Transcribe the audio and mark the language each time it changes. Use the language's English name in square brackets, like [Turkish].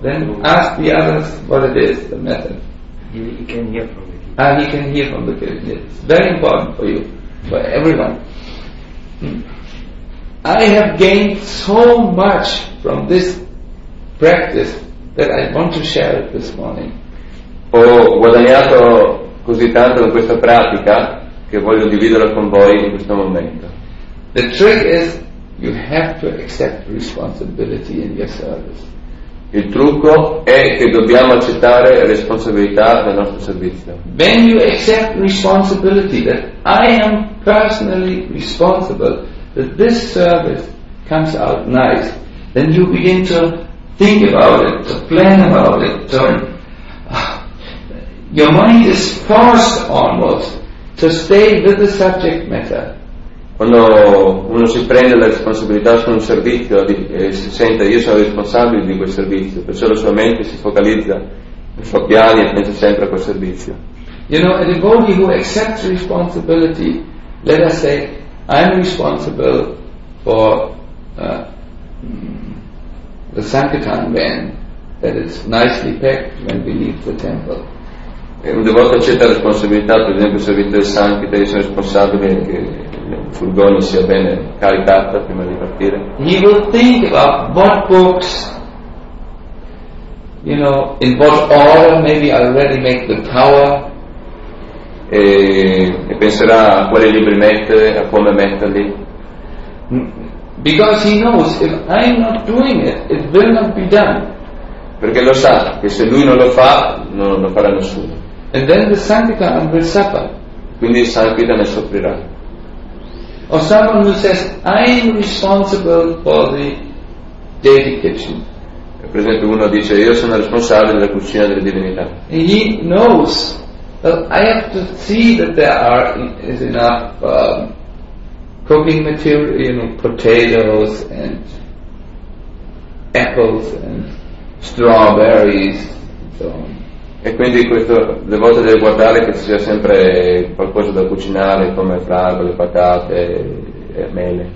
[English] Then ask the others what it is, the method. He can hear from the kid. He can hear from the kid. It's very important for you, for everyone. I have gained so much from this practice that I want to share it this morning. [Italian] Ho guadagnato così tanto da questa pratica che voglio dividerla con voi in questo momento. [English] The trick is you have to accept responsibility in your service. [Italian] Il trucco è che dobbiamo accettare responsabilità nel nostro servizio. [English] When you accept responsibility that I am personally responsible that this service comes out nice, then you begin to think about it, to plan about it, to your mind is forced almost to stay with the subject matter. [Italian] Quando uno si prende la responsabilità su un servizio e si sente io sono responsabile di quel servizio, perciò la sua mente si focalizza nei suoi piani e pensa sempre a quel servizio. [English] You know, a devotee who accepts responsibility, let us say, I'm responsible for the Sankirtan van, that it's nicely packed when we leave the temple. [Italian] Un devoto accetta la responsabilità, per esempio il servizio del Sankirtan, io sono responsabile che il furgone sia bene caricato prima di partire. [English] He will think about what books, you know, in what order maybe I already make the tower. [Italian] E penserà a quali libri mettere, a come metterli. [English] Because he knows if I'm not doing it, it will not be done. [Italian] Perché lo sa che se lui non lo fa, non lo farà nessuno. [English] And then the Sankirtan will suffer. [Italian] Quindi il Sankirtan ne soffrirà. [English] Or someone who says, I am responsible for the daily kitchen. [Italian] Per esempio, uno dice: io sono responsabile della cucina delle divinità. [English] And he knows that I have to see that there are is enough cooking material, you know, potatoes and apples and strawberries, so. [Italian] E quindi questo devoto deve guardare che ci sia sempre qualcosa da cucinare, come fragole, patate e mele.